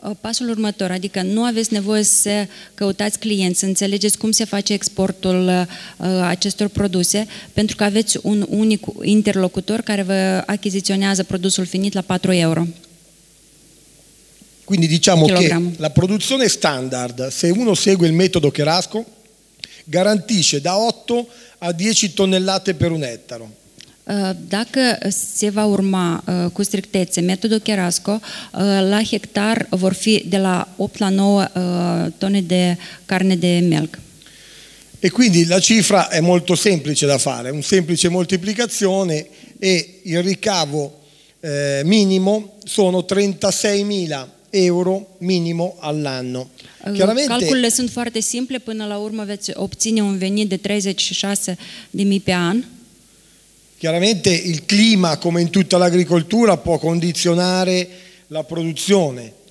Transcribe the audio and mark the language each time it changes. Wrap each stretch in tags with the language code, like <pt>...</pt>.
<ro>Pasul următor, adică nu aveți nevoie să căutați clienți, să înțelegeți cum se face exportul acestor produse, pentru că aveți un unic interlocutor care vă achiziționează produsul finit la 4 euro.</ro> <it>Quindi diciamo che la produzione standard, se uno segue il metodo Cherasco, garantisce da 8 a 10 tonnellate per un ettaro.</it> <ro>Dacă se va urma cu strictețe metodul Cherasco, la hectar vor fi de la 8 la 9 tone de carne de melc.</ro> <it>E quindi la cifra è molto semplice da fare, un semplice moltiplicazione e il ricavo minimo sono 36.000 euro minimo all'anno. Chiaramente,</it> <ro>calculele sunt foarte simple, până la urmă veți obține un venit de 36.000 pe an.</ro> <it>Chiaramente il clima, come in tutta l'agricoltura, può condizionare la produzione.</it>